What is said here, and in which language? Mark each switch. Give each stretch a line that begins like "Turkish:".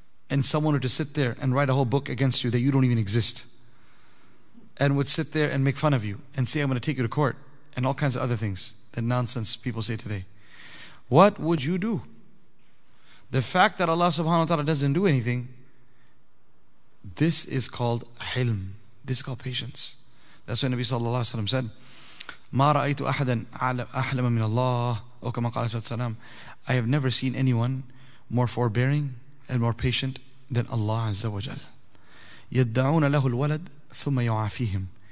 English: And someone were to sit there and write a whole book against you that you don't even exist, and would sit there and make fun of you and say, I'm going to take you to court, and all kinds of other things that nonsense people say today, what would you do? The fact that Allah subhanahu wa ta'ala doesn't do anything, this is called hilm. This is called patience. That's what Nabi sallallahu alayhi wa sallam said,
Arabic: ما رأيت أحدا أحلم من الله أو كما قال صلى الله عليه وسلم.
English: I have never seen anyone more forbearing and more patient than Allah Azza wa Jal.
Arabic: يدعون له الولد ثم يعافيهم.